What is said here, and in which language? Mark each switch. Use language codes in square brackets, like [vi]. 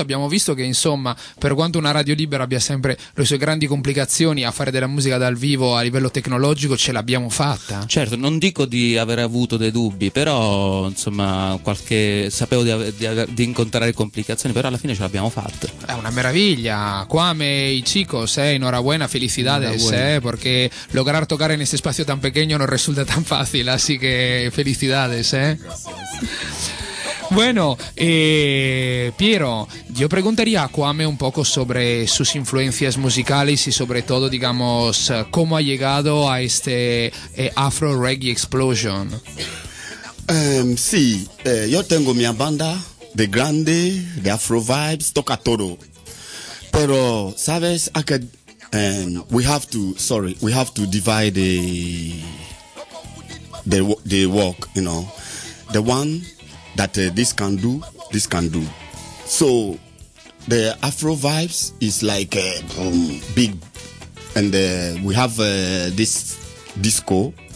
[it] e abbiamo visto che, insomma, per quanto una radio libera abbia sempre le sue grandi complicazioni, a fare della musica dal vivo a livello tecnologico ce l'abbiamo fatta. Certo, non dico di aver avuto dei dubbi, però insomma qualche sapevo di incontrare complicazioni, però alla fine ce l'abbiamo fatta. È una meraviglia. [es] Quame y chicos, enhorabuena, felicidades, [it] perché [es] lograr [it] tocare in [es] este [it] spazio [es] tan pequeño non resulta tan fácil, así que felicidades, Bueno, Piero, yo preguntaría a Kwame un poco sobre sus influencias musicales y sobre todo, digamos, cómo ha llegado a este Afro Reggae Explosion. Sí, yo tengo mi banda de grande, de Afro Vibes, toca todo. Pero, ¿sabes? [en] We have to divide the work, you know, the one that this can do. So the Afro Vibes is like big, and we have this disco.